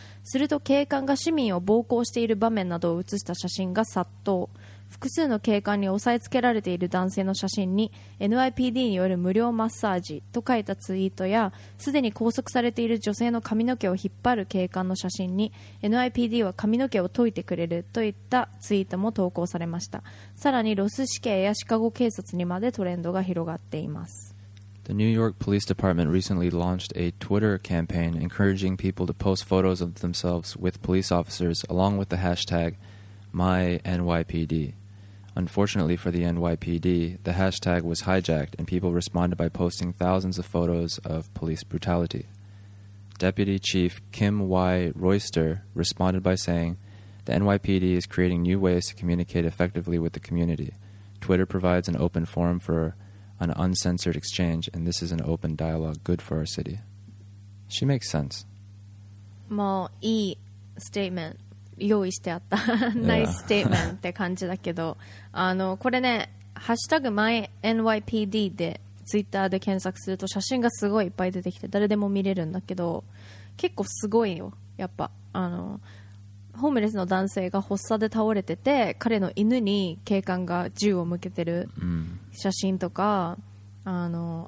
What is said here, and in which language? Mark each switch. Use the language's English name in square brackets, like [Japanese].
[Japanese] すると警官が市民を暴行している場面などを写した写真が殺到複数の警官に押さえつけられている男性の写真に NYPD による無料マッサージと書いたツイートやすでに拘束されている女性の髪の毛を引っ張る警官の写真に NYPD は髪の毛を解いてくれるといったツイートも投稿されましたさらにロス市警やシカゴ警察にまでトレンドが広がっています [English] The New York Police Department recently launched a Twitter campaign encouraging people to post photos of themselves with police officers along with the hashtagMy NYPD. Unfortunately for the NYPD, the hashtag was hijacked and people responded by posting thousands of photos of police brutality. Deputy Chief Kim Y. Royster responded by saying, The NYPD is creating new ways to communicate effectively with the community. Twitter provides an open forum for an uncensored exchange and this is an open dialogue good for our city. She makes sense. [Japanese] もういいstatement. 用意してあったナイスステイメントって感じだけど、 [English] yeah. [Japanese] あのこれねハッシュタグ MyNYPD でツイッターで検索すると写真がすごいいっぱい出てきて誰でも見れるんだけど結構すごいよやっぱあのホームレスの男性が発作で倒れてて彼の犬に警官が銃を向けてる写真とか、mm.